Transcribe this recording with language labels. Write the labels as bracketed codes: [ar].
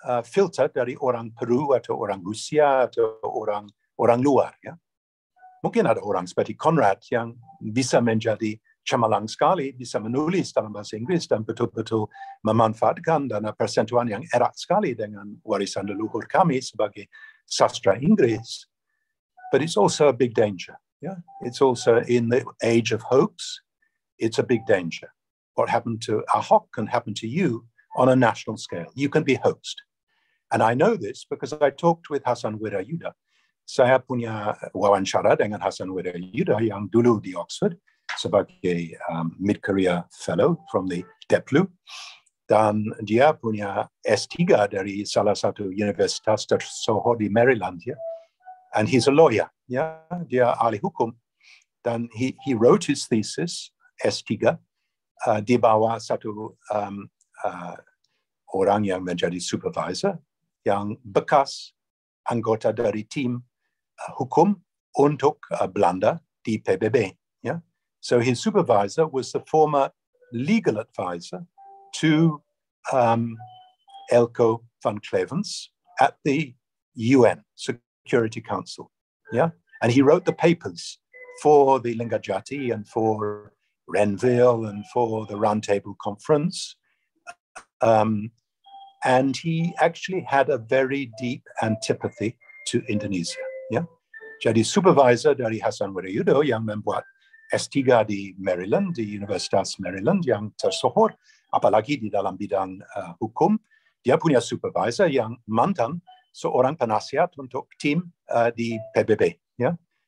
[id] filter dari orang Peru atau orang Rusia atau orang luar, ya. Mungkin ada orang seperti Conrad yang bisa menjadi cemerlang sekali, bisa menulis dalam bahasa Inggris dan betul-betul memanfaatkan dana persentuhan yang erat sekali dengan warisan leluhur kami sebagai sastra Inggris. [en] But it's also a big danger. Yeah, it's also in the age of hopes, it's a big danger. What happened to Ahok can happen to you on a national scale. You can be hoaxed. And I know this because I talked with Hasan Wirayuda. [id] Saya punya wawancara dengan Hasan Wirayuda yang dulu di Oxford sebagai [en] mid-career fellow from the DEPLU. [id] Dan dia punya S3 dari salah satu universitas tersohor di Maryland. Yeah? [en] And he's a lawyer. [id] Yeah, dia ahli hukum. Dan [en] he wrote his thesis, [id] S3, di bawah satu orang yang menjadi supervisor, yang bekas anggota dari tim hukum untuk Belanda di PBB. [en] Yeah? So his supervisor was the former legal advisor to Elko van Klevens at the UN Security Council. Yeah? And he wrote the papers for the Linggajati and for Renville and for the Roundtable Conference. And he actually had a very deep antipathy to Indonesia. Yeah? [id] Jadi supervisor dari Hasan Wirayuda yang membuat S3 di Maryland, di Universitas Maryland yang tersohor, apalagi di dalam bidang hukum, dia punya supervisor yang mantan seorang penasihat untuk tim di PBB. Yeah?